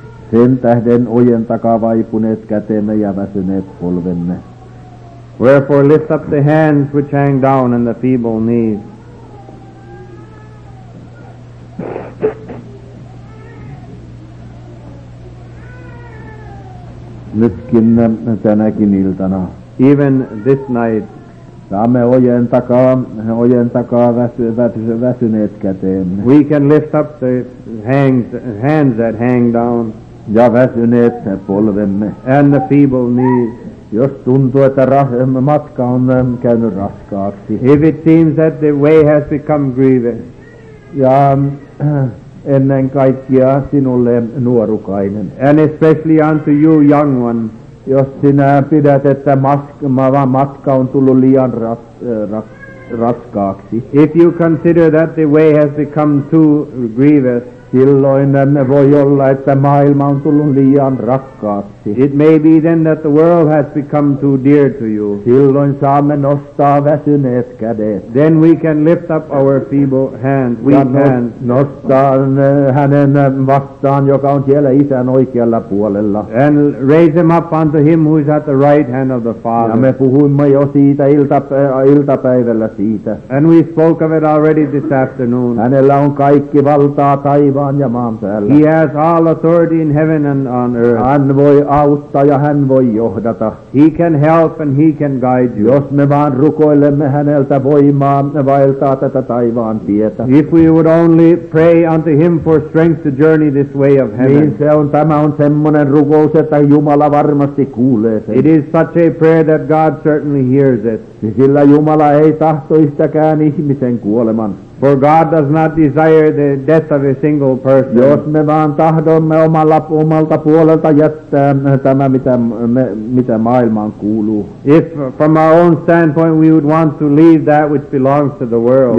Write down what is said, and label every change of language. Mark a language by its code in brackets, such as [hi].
[fi] Sen tähden ojentakaa vaipuneet kätemme ja väsyneet polvemme. [en] Wherefore lift up the hands which hang down and the feeble knees. [fi] Nytkin tänäkin iltana. [en] Even this night. [fi] Saamme ojentakaa väsyneet käteemme. [en] We can lift up the hands that hang down. [fi] Ja väsyneet polvemme. [en] And the feeble knees. [fi] Jos tuntuu, että matka on käynyt raskaaksi. [en] If it seems that the way has become grievous. [fi] Ja ennen kaikkea sinulle nuorukainen. [en] And especially unto you, young one. [fi] Jos sinä pidät, että matka on tullut liian raskaaksi. [en] If you consider that the way has become too grievous. [fi] Silloin voi olla, että maailma on tullut liian rakkaaksi. [en] It may be then that the world has become too dear to you. [fi] Silloin saamme nostaa väsyneet kädet. [en] Then we can lift up our feeble hands, weak hands. [fi] Nostaa hänen vastaan, joka on siellä isän oikealla puolella. [en] And raise him up unto him who is at the right hand of the Father. [fi] Ja me puhuimme jo siitä iltapäivällä siitä. [en] And we spoke of it already this afternoon. [fi] Hänellä on kaikki valtaa taivaan. [en] He has all authority in heaven and on earth. [fi] Hän voi auttaa ja hän voi johdata. [en] He can help and he can guide you. [fi] Jos me vaan rukoilemme häneltä voimaa vaeltaa tätä taivaan tietä. [en] If we would only pray unto him for strength to journey this way of heaven. [fi] Niin se on, tämä on semmoinen rukous, että Jumala varmasti kuulee sen. [en] It is such a prayer that God certainly hears it. [fi] Sillä Jumala ei tahtoisikään ihmisen kuoleman. [en] For God does not desire the death of a single person. [fi] Jos me vaan tahdomme omalta puolelta jättää tämä, mitä maailmaan kuuluu. [en] If from our own standpoint we would want to leave that which belongs to the world.